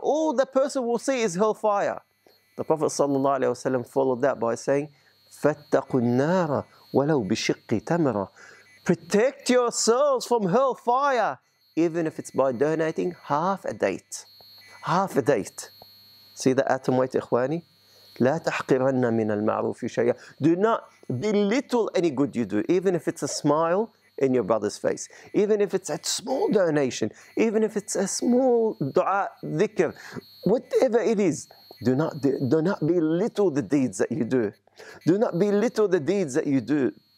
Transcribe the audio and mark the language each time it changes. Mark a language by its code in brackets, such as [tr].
[en] All the person will see is hellfire. The Prophet ﷺ followed that by saying, [ar] فَاتَّقُوا النَّارَ وَلَوْ بِشِقِّ تَمْرَ. [en] Protect yourselves from hellfire, even if it's by donating half a date. Half a date. See the atom weight, ikhwani? [ar] لا تحقرن من المعروف شيئا. [en] Do not belittle any good you do, even if it's a smile in your brother's face, even if it's a small donation, even if it's a small dua, dhikr, whatever it is. Do not belittle the deeds that you do. Do not belittle the deeds that you do.